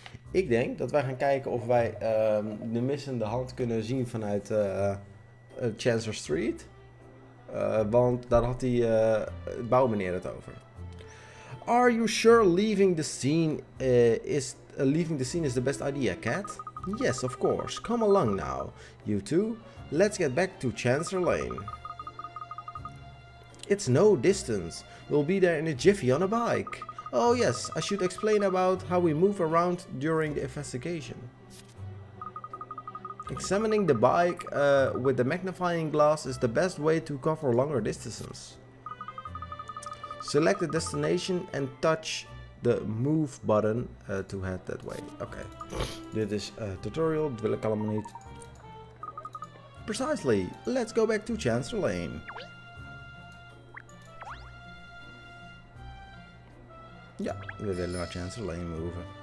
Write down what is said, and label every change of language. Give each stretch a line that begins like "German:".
Dutch: Ik denk dat wij gaan kijken of wij de missende hand kunnen zien vanuit Chancellor Street. Want daar had die bouwmeneer het over.
English: Are you sure leaving the scene is the best idea, Cat? Yes, of course. Come along now, you two. Let's get back to Chancellor Lane. It's no distance. We'll be there in a jiffy on a bike. Oh yes, I should explain about how we move around during the investigation. Examining the bike with the magnifying glass is the best way to cover longer distances. Select the destination and touch the move button to head that way.
Dutch: Okay, dit is a tutorial, dat wil ik allemaal niet.
English: Precisely, let's go back to Chancellor Lane.
Dutch: Ja, we willen naar Chancellor Lane moven.